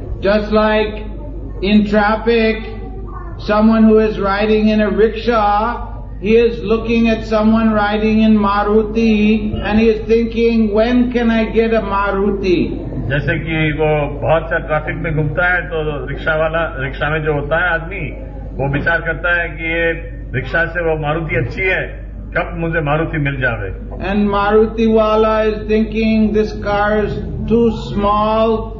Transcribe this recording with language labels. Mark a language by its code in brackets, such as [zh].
[en] Just like in traffic someone who is riding in a rickshaw, he is looking at someone riding in Maruti and he is thinking, when can I get a Maruti? [hi] जैसे कि वो बहुत सारे traffic में घूमता है तो rickshaw वाला, रिक्शा में जो होता है आदमी, वो विचार करता है कि ये रिक्शा से वो मारुति अच्छी है, कब मुझे मारुति मिल जावे. [en] And Maruti wala is thinking, this car is too small.